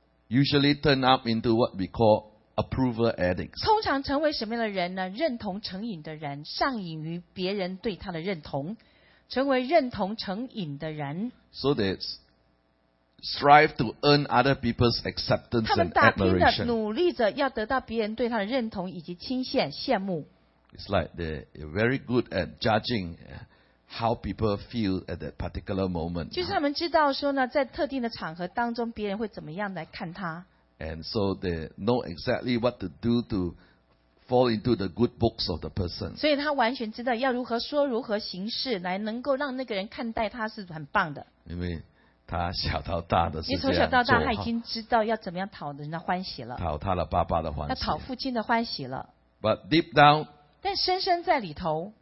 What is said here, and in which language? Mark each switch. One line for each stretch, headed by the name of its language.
English: usually turn up into what we call Approval addicts.
Chinese: 通常成为什么样的人呢？认同成瘾的人，上瘾于别人对他的认同，成为认同成瘾的人。
English: So they strive to earn other people's acceptance and admiration.
Chinese: 他们打拼的，努力着要得到别人对他的认同以及倾斜、羡慕。
English: It's like they're very good at judging how people feel at that particular moment.
Chinese: 就是他们知道说呢，在特定的场合当中，别人会怎么样来看他。
English: And so they know exactly what to do to fall into the good books of the person.
Chinese: 所以他完全知道要如何说、如何行事，来能够让那个人看待他是很棒的。因为他小到大的是这样做。因为从小到大，他已经知道要怎么样讨人的欢喜了。讨他的爸爸的欢喜。要讨父亲的欢喜了。
English: But deep down,
Chinese: 但深深在里头